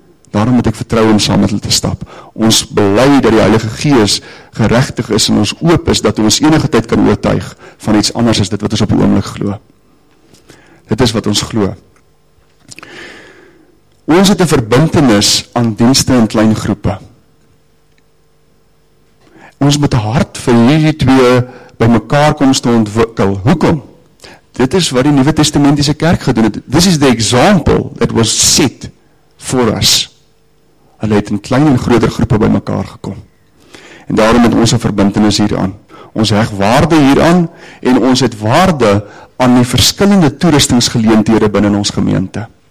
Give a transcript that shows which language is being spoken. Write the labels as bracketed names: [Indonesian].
[Afrikaans] Daarom moet ek vertrou om saam met hulle te stap. Ons bely dat die Heilige Gees geregtig is en ons oop is dat ons enige tyd kan oortuig van iets anders as dit wat ons op die oomblik glo. Dit is wat ons glo. Ons het 'n verbintenis aan dienste in klein groepe. Ons moet hard vir hierdie twee by mekaar koms te ontwikkel. Hoekom? Dit is wat die Nuwe Testamentiese Kerk gedoen het. [English] This is the example that was set for us. [Afrikaans] Hulle het in klein en groter groepe by mekaar gekom. En daarom het ons 'n verbintenis hieraan. Ons heg waarde hieraan en ons het waarde aan die verskillende toerustingsgeleenthede binne ons gemeente.